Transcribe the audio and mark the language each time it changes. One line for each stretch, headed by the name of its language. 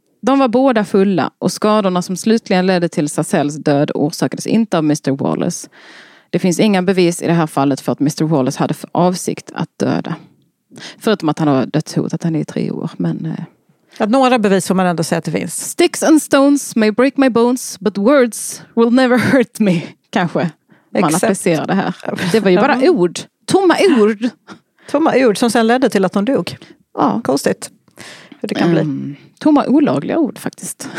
Swedish: De var båda fulla och skadorna som slutligen ledde till Cecils död orsakades inte av Mr. Wallace. Det finns inga bevis i det här fallet för att Mr. Wallace hade för avsikt att döda. Förutom att han har dödshotat henne i 3 år, men att några bevis får man ändå säga att det finns.
English: Sticks and stones may break my bones, but words will never hurt me.
Swedish: Kanske man applicerar det här. Det var ju bara ord. Tomma ord. Tomma ord som sen ledde till att hon dog. Ja. Konstigt hur det kan bli. Tomma olagliga ord faktiskt.